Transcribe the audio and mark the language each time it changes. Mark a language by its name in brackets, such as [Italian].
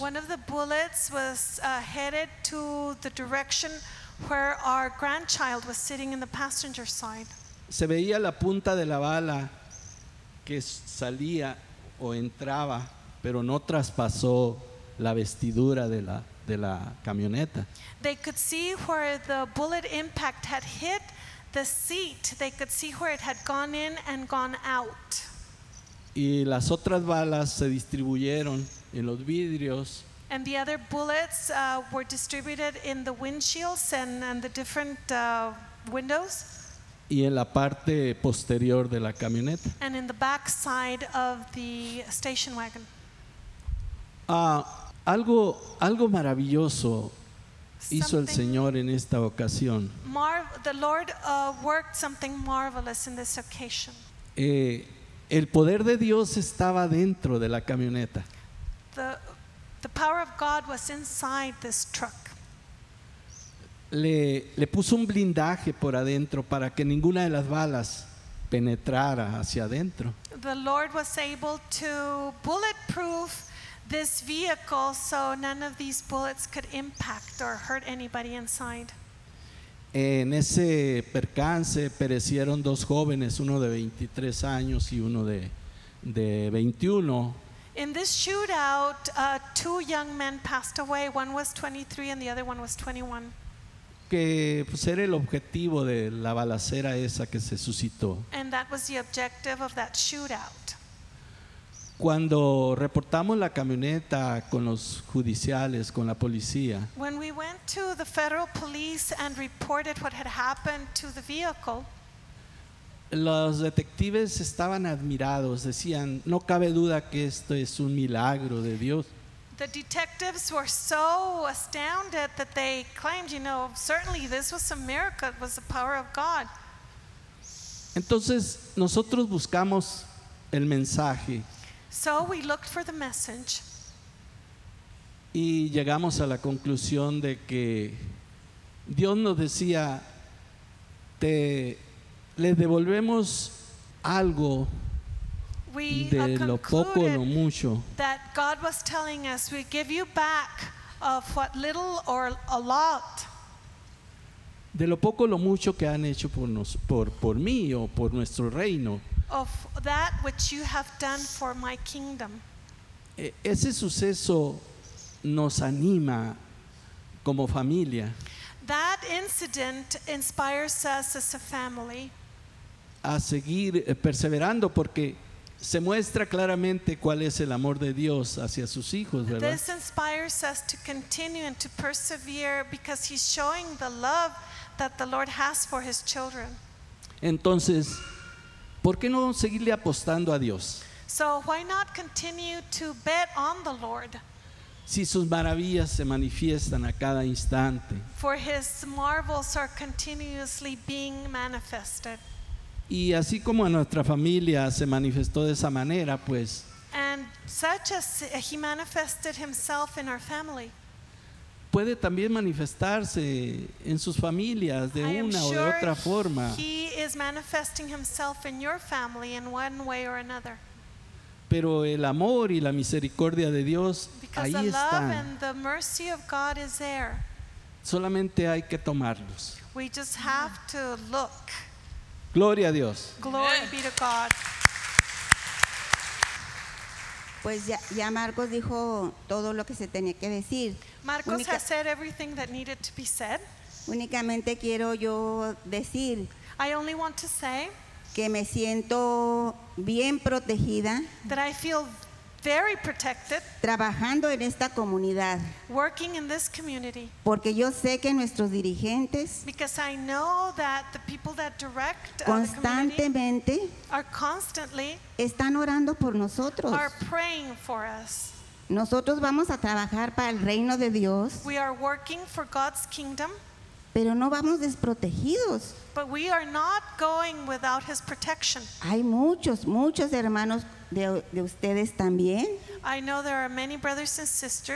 [English] One of the bullets was headed to the direction where our grandchild was sitting in the passenger side. [Spanish] Se veía la punta de la bala que salía o entraba, pero no traspasó la vestidura de la camioneta. [English] They could see where the bullet impact had hit the seat. They could see where it had gone in and gone out. [Spanish] Y las otras balas se distribuyeron en los vidrios. [English] And the other bullets were distributed in the windshields and the different windows. [Spanish] Y en la parte posterior de la camioneta. [English] And in the back side of the station wagon. [Spanish] Algo maravilloso hizo el Señor en esta ocasión. [English] The Lord worked something marvelous in this occasion. [Spanish] El poder de Dios estaba dentro de la camioneta. [English] The power of God was inside this truck. [Spanish] Le puso un blindaje por adentro para que ninguna de las balas penetrara hacia adentro. [English] The Lord was able to bulletproof this vehicle so none of these bullets could impact or hurt anybody inside. [Spanish] En ese percance perecieron 2 jóvenes, uno de 23 años y uno de 21. [English] In this shootout, 2 young men passed away. One was 23 and the other one was 21. [Spanish] Que pues era el objetivo de la balacera esa que se suscitó. [English] And that was the objective of that shootout. [Spanish] Cuando reportamos la camioneta con los judiciales, con la policía. [English] When we went to the federal police and reported what had happened to the vehicle. [Spanish] Los detectives estaban admirados, decían, no cabe duda que esto es un milagro de Dios. [English] The detectives were so astounded that they claimed, you know, certainly this was a miracle, it was the power of God. [Spanish] Entonces, nosotros buscamos el mensaje. [English] So we looked for the message. [Spanish] Y llegamos a la conclusión de que Dios nos decía, te le devolvemos algo de lo poco o lo mucho. [English] That God was telling us, we give you back of what little or a lot. [Spanish] De lo poco o lo mucho que han hecho por nos, por mí o por nuestro reino. [English] Of that which you have done for my kingdom. [Spanish] Ese suceso nos anima como familia. [English] That incident inspires us as a family. [Spanish] A seguir perseverando porque se muestra claramente cuál es el amor de Dios hacia sus hijos, ¿verdad? [English] This inspires us to continue and to persevere because he's showing the love that the Lord has for his children. [Spanish] Entonces, ¿por qué no seguirle apostando a Dios? [English] So why not continue to bet on the Lord? [Spanish] Si sus maravillas se manifiestan a cada instante. [English] For his marvels are continuously being manifested. [Spanish] Y así como a nuestra familia se manifestó de esa manera, pues. [English] And such as he manifested himself in our family. [Spanish] Puede también manifestarse en sus familias de una o de otra forma. [English] He is manifesting himself in your family in one way or another. [Spanish] Pero el amor y la misericordia de Dios ahí están. [English] Because the love and the mercy of God is there. [Spanish] Solamente hay que tomarlos. [English] We just have to look. [Spanish] Gloria a Dios. [English] Glory be to God. [Spanish] Pues ya, ya Marcos dijo todo lo que se tenía que decir. [English] Marcos has said everything that needed to be said. [Spanish] Únicamente quiero yo decir. [English] I only want to say. [Spanish] Que me siento bien protegida. [English] That I feel very protected. [Spanish] Trabajando en esta comunidad. [English] Working in this community. [Spanish] Porque yo sé que nuestros dirigentes. [English] Because I know that the people that direct [Spanish] constantemente [English] the community are constantly [Spanish] están orando por nosotros. [English] Are praying for us. [Spanish] Nosotros vamos a trabajar para el reino de Dios. [English] We are working for God's kingdom. [Spanish] Pero no vamos desprotegidos. [English] But we are not going without his protection. [Spanish] Hay muchos, muchos hermanos de ustedes también. [English] I know there are many brothers and sisters.